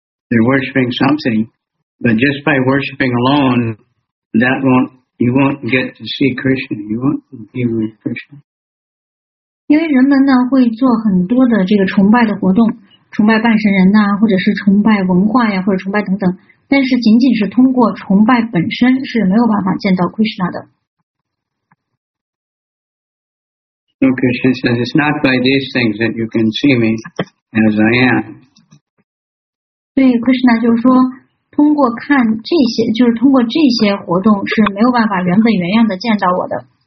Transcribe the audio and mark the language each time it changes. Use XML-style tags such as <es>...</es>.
<en>They're worshiping something, but just by worshiping alone, you won't get to see Krishna. You won't be with Krishna.</en> <zh>因为人们呢会做很多的这个崇拜的活动，崇拜半神人呐、或者是崇拜文化呀，或者崇拜等等，但是仅仅是通过崇拜本身是没有办法见到 Krishna 的。</zh> <en>So Krishna says, it's not by these things that you can see me as I am.</en> <zh>对 Krishna 就是说，通过看这些，就是通过这些活动是没有办法原本原样的见到我的。</zh>